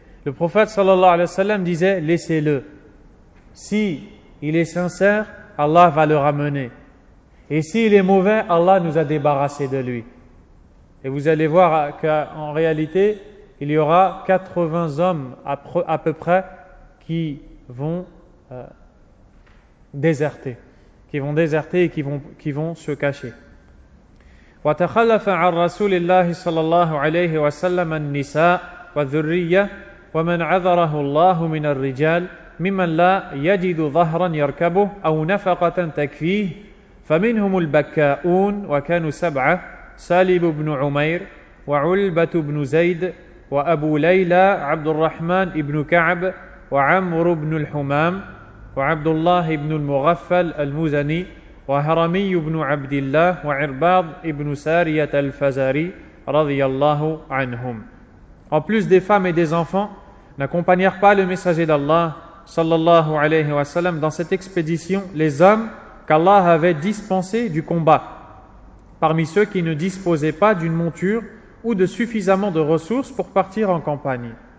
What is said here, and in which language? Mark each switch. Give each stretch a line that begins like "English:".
French: Le prophète sallallahu alayhi wa sallam disait, laissez-le, si il est sincère, Allah va le ramener, et s'il est mauvais, Allah nous a débarrassé de lui. Et vous allez voir qu'en réalité il y aura 80 hommes à peu près qui vont déserter, qui vont déserter et qui vont se cacher.
Arabic: وتخلف عن رسول الله صلى الله عليه وسلم النساء والذرية ومن عذره الله من الرجال ممن لا يجد ظهرا يركبه أو نفقة تكفيه فمنهم البكاؤون وكانوا سبعة سالب بن عمير وعلبة بن زيد وأبو ليلى عبد الرحمن بن كعب وعمرو بن الحمام وعبد الله بن المغفل المزني وهرمي بن عبد الله وعرباض بن سارية الفزاري رضي الله عنهم.
French: En plus des femmes et des enfants, n'accompagnèrent pas le messager d'Allah sallallahu alayhi wa sallam dans cette expédition les hommes qu'Allah avait dispensés du combat, parmi ceux qui ne disposaient pas d'une monture ou de suffisamment de ressources pour partir en campagne.